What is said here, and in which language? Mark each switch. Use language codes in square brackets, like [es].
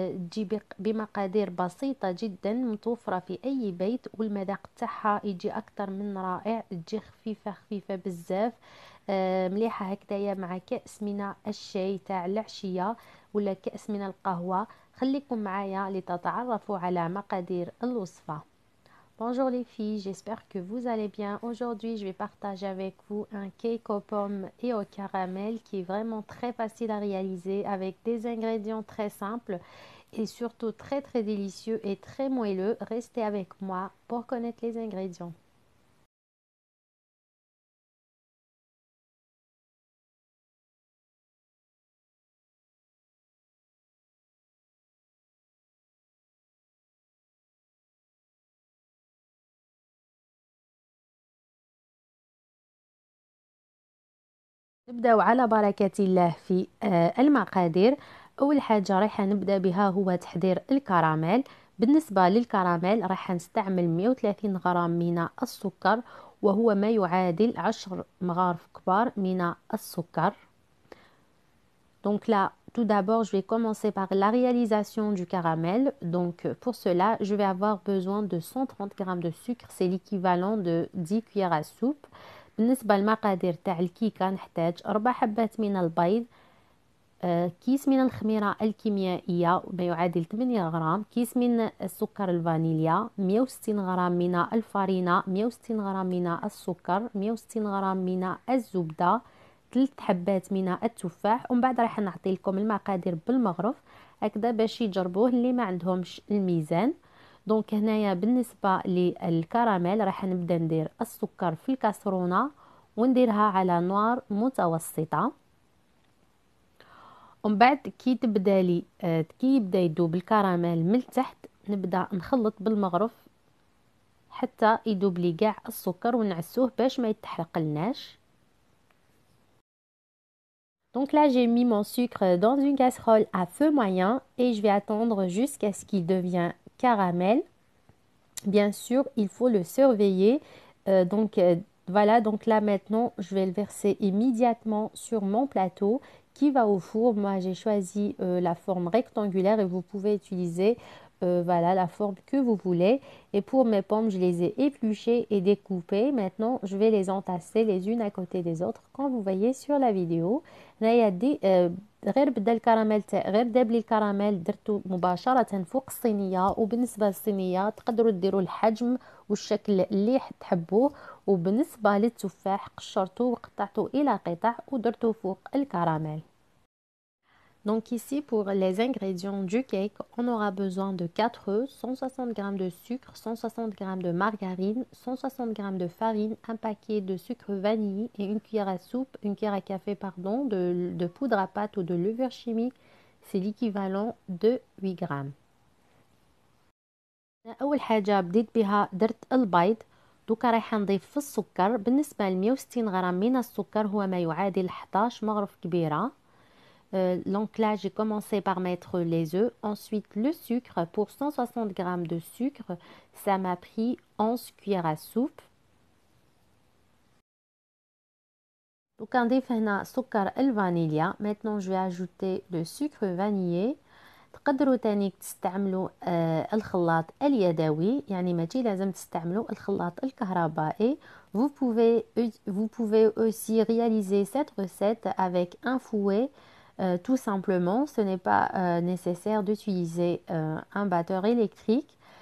[ar] تجي بمقادير بسيطة جدا، متوفرة في اي بيت، والمذاق تاعها يجي اكثر من رائع. تجي خفيفة خفيفة بزاف، مليحة هكذا مع كأس من الشاي تاع العشية ولا كأس من القهوة. خليكم معايا لتتعرفوا على مقادير الوصفة. [fr] Bonjour les filles, j'espère que vous allez bien. Aujourd'hui, je vais partager avec vous un cake aux pommes et au caramel qui est vraiment très facile à réaliser avec des ingrédients très simples et surtout très très délicieux et très moelleux. Restez avec moi pour connaître les ingrédients. [ar] نبدأ على بركة الله في المقادير. أول حاجة راح نبدأ بها هو تحضير الكراميل. بالنسبة للكراميل راح نستعمل 130 غرام من السكر، وهو ما يعادل 10 مغارف كبار من السكر. [fr] Donc là, tout d'abord, je vais commencer par la réalisation du caramel. Donc pour cela, je vais avoir besoin de 130 g de sucre. C'est l'équivalent de 10 cuillères à soupe. [ar] بالنسبة للمقادير تاع الكيكة، نحتاج 4 حبات من البيض، كيس من الخميرة الكيميائية ما يعادل 8 غرام، كيس من السكر الفانيليا، 160 غرام من الفارينة، 160 غرام من السكر، 160 غرام من الزبدة، 3 حبات من التفاح. ومن بعد راح نعطي لكم المقادير بالمغرف هكذا باش يجربوه اللي ما عندهمش الميزان. دونك هنايا بالنسبة للكراميل راح نبدأ ندير السكر في الكاسرونة ونديرها على نار متوسطة. ومن بعد كي يبدأ يدوب الكراميل من تحت، نبدأ نخلط بالمغرف حتى يدوب لي قاع السكر ونعسوه باش ما يتحرق لناش. [fr] Donc là, j'ai mis mon sucre dans une casserole à feu moyen et je vais attendre jusqu'à ce qu'il devienne caramel. Bien sûr, il faut le surveiller. Voilà, donc là maintenant, je vais le verser immédiatement sur mon plateau qui va au four. Moi, j'ai choisi la forme rectangulaire et vous pouvez utiliser voilà la forme que vous voulez. Et pour mes pommes, je les ai épluchées et découpées. Maintenant, je vais les entasser les unes à côté des autres comme vous voyez sur la vidéo. Là, il y a des [ar] غير بدا الكراميل تاع غير داب لي الكراميل درتو مباشره فوق الصينيه. وبالنسبه للصينيه تقدروا ديروا الحجم والشكل اللي تحبوه. وبالنسبه للتفاح قشرتو وقطعتو الى قطع ودرتو فوق الكراميل. [fr] Donc ici pour les ingrédients du cake, on aura besoin de 4 œufs, 160 g de sucre, 160 g de margarine, 160 g de farine, un paquet de sucre vanillé et une cuillère à café de poudre à pâte ou de levure chimique, c'est l'équivalent de 8 g. [ar] أول حاجة بديت بها درت البيض. دوكا رايح نضيف في السكر. بالنسبة ل 160 غرام من السكر هو ما يعادل 11 مغرف كبيرة. [fr] Donc là, j'ai commencé par mettre les œufs, ensuite le sucre. Pour 160 g de sucre, ça m'a pris 11 cuillères à soupe. Donc, on dit le sucre et le vanilla. Maintenant, je vais ajouter le sucre vanillé. [ar] تقدروا تاني تستعملوا الخلاط اليدوي، يعني ماشي لازم تستعملوا الخلاط الكهربائي. [fr] vous pouvez aussi réaliser cette recette avec un fouet. Tout simplement, ce n'est pas nécessaire d'utiliser un batteur électrique.